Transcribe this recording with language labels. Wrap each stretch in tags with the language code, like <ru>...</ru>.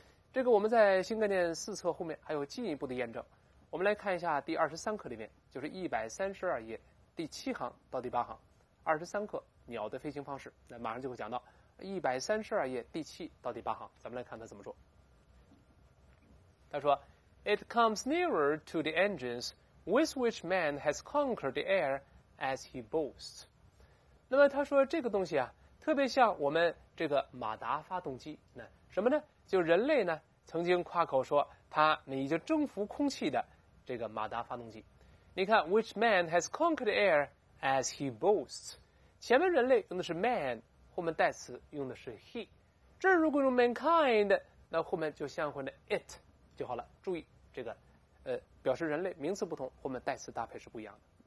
<zh>这个我们在新概念四册后面还有进一步的验证，我们来看一下第23课里面，就是132页第7行到第8行，23课鸟的飞行方式，那马上就会讲到132页第7到第8行，咱们来看他怎么说。他说</zh> <en>It comes nearer to the engines with which man has conquered the air as he boasts。</en> <zh>那么他说这个东西啊特别像我们这个马达发动机，那什么呢，就人类呢曾经夸口说他已经征服空气的这个马达发动机。你看</zh> <en>which man has conquered air as he boasts，</en> <zh>前面人类用的是 man， 后面代词用的是 he， 这如果用 mankind， 那后面就相换的 it 就好了。注意这个表示人类名词不同，后面代词搭配是不一样的。</zh>